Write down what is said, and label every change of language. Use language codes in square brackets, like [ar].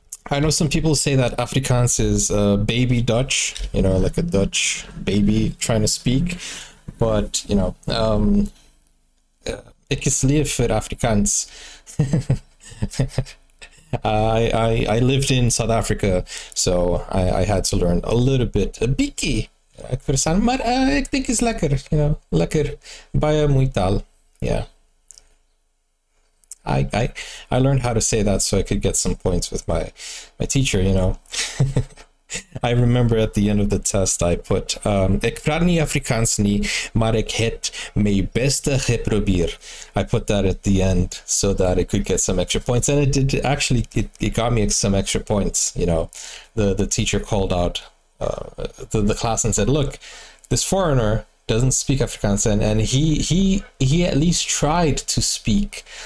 [en] I know some people say that Afrikaans is a baby Dutch, you know, like a Dutch baby trying to speak. But, you know, [af] ik is lief voor Afrikaans. [en] I lived in South Africa, so I had to learn a little bit. [af] A biki, ik verstaan, maar ik denk is lekker, [en] you know, [af] lekker. Baie mooi taal, yeah. [en] I learned how to say that so I could get some points with my teacher, you know. I remember at the end of the test I put [af] ik praat niet Afrikaans nie, maar ik het my beste geprobeer. [en] I put that at the end so that it could get some extra points, and it did actually. It got me some extra points, you know. The teacher called out the class and said, look, this foreigner doesn't speak Afrikaans, and he at least tried to speak.